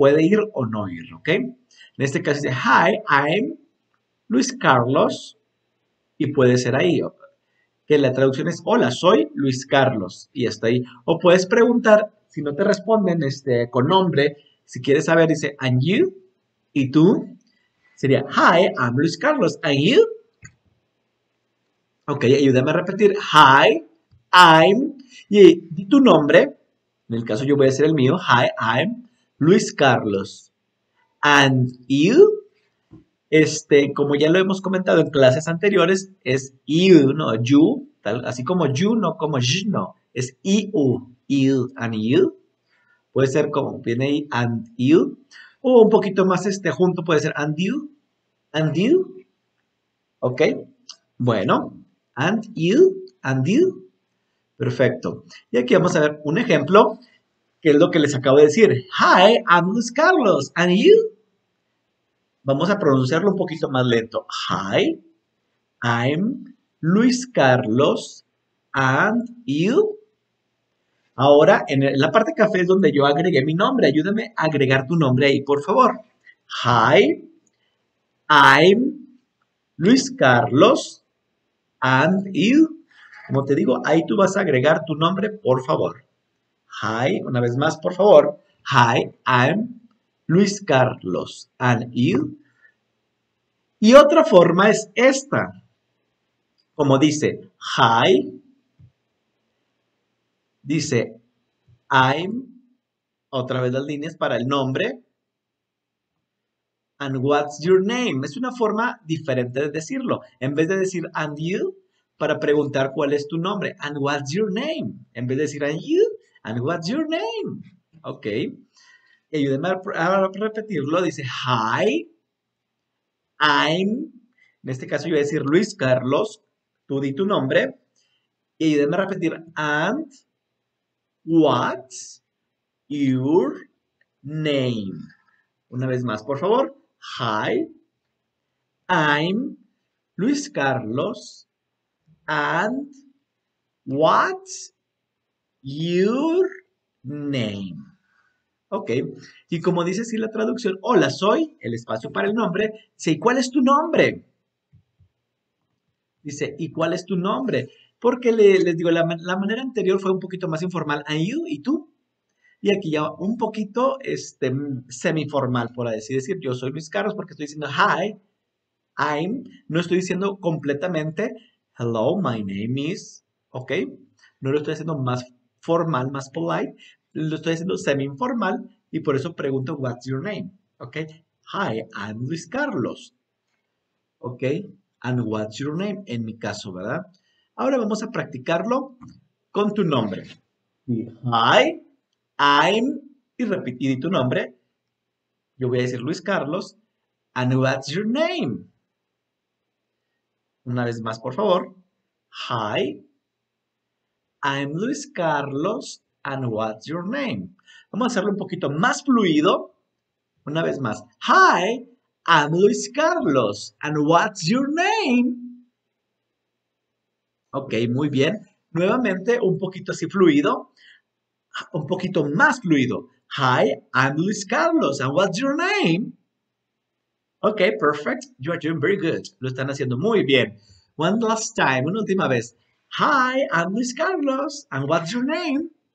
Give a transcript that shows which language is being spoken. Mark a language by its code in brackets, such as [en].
[es] Puede ir o no ir, ¿ok? En este caso dice, [en] Hi, I'm Luis Carlos. [es] Y puede ser ahí. Que la traducción es, hola, soy Luis Carlos. Y está ahí. O puedes preguntar, si no te responden con nombre, si quieres saber, dice, [en] and you, [es] y tú. Sería, [en] Hi, I'm Luis Carlos, and you. [es] Ok, ayúdame a repetir. [en] Hi, I'm. [es] Y tu nombre, en el caso yo voy a hacer el mío. [en] Hi, I'm Luis Carlos. And you, [es] como ya lo hemos comentado en clases anteriores, es you, no you, tal, así como you, no como you, no. Es you, you, [en] and you. [es] Puede ser como viene ahí, and you. O un poquito más junto puede ser and you. Ok, bueno. [en] And you, [es] perfecto. Y aquí vamos a ver un ejemplo, que es lo que les acabo de decir. [en] Hi, I'm Luis Carlos, and you. [es] Vamos a pronunciarlo un poquito más lento. [en] Hi, I'm Luis Carlos, and you. [es] Ahora, en la parte café es donde yo agregué mi nombre. Ayúdame a agregar tu nombre ahí, por favor. [en] Hi, I'm Luis Carlos, and you, [es] como te digo, ahí tú vas a agregar tu nombre, por favor. Hi, una vez más, por favor. [en] Hi, I'm Luis Carlos, and you. [es] Y otra forma es esta. Como dice, hi, dice, I'm, otra vez las líneas para el nombre. [en] And what's your name? [es] Es una forma diferente de decirlo. En vez de decir, [en] and you, [es] para preguntar cuál es tu nombre. [en] And what's your name? [es] En vez de decir, [en] and you, and what's your name? Ok. [es] Ayúdenme a repetirlo. Dice, [en] hi, I'm, [es] en este caso yo voy a decir Luis Carlos, tú di tu nombre. Y ayúdenme a repetir, [en] and what's your name? [es] Una vez más, por favor. [en] Hi, I'm Luis Carlos, and what's your name? [es] Ok, y como dice así la traducción, hola, soy, el espacio para el nombre, dice, ¿y cuál es tu nombre? Dice, ¿y cuál es tu nombre? Porque les digo, la manera anterior fue un poquito más informal, [en] and you, [es] ¿y tú? Y aquí ya un poquito semiformal, por así decir, yo soy Luis Carlos porque estoy diciendo [en] hi, I'm, [es] no estoy diciendo completamente [en] hello, my name is, [es] ¿ok? No lo estoy haciendo más formal, más polite, lo estoy haciendo semiformal y por eso pregunto, [en] what's your name? ¿Ok? Hi, I'm Luis Carlos. ¿Ok? And what's your name? [es] En mi caso, ¿verdad? Ahora vamos a practicarlo con tu nombre. [en] Hi. I'm, [es] y repetí tu nombre, yo voy a decir Luis Carlos, [en] and what's your name? [es] Una vez más, por favor. [en] Hi, I'm Luis Carlos, and what's your name? [es] Vamos a hacerlo un poquito más fluido. Una vez más. [en] Hi, I'm Luis Carlos, and what's your name? [es] Ok, muy bien. Nuevamente, un poquito así fluido. Un poquito más fluido. [en] Hi, I'm Luis Carlos. And what's your name? Ok, perfect. You are doing very good. [es] Lo están haciendo muy bien. [en] One last time. [es] Una última vez. [en] Hi, I'm Luis Carlos. And what's your name?